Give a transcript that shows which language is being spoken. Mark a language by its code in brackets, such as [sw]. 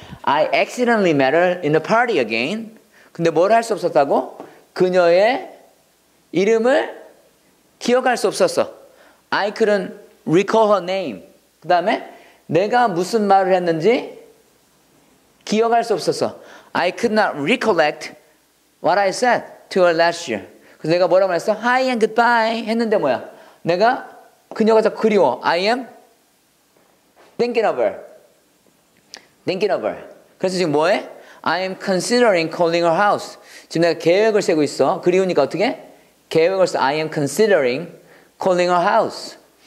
[en] I accidentally met her in the party again. [ko] 근데 뭘 할 수 없었다고? 그녀의 이름을 기억할 수 없었어. [en] I couldn't recall her name. [ko] 그 다음에 내가 무슨 말을 했는지 기억할 수 없었어. [en] I could not recollect what I said to her last year. [ko] 그래서 내가 뭐라고 말했어? [en] Hi and goodbye [ko] 했는데 뭐야? 내가 그녀가 더 그리워. [en] I am thinking of her. Thinking of her. [ko] 그래서 지금 뭐해? [en] I am considering calling her house. [ko] 지금 내가 계획을 세고 있어. 그리우니까 어떻게? 계획을 써. [en] I am considering calling her house.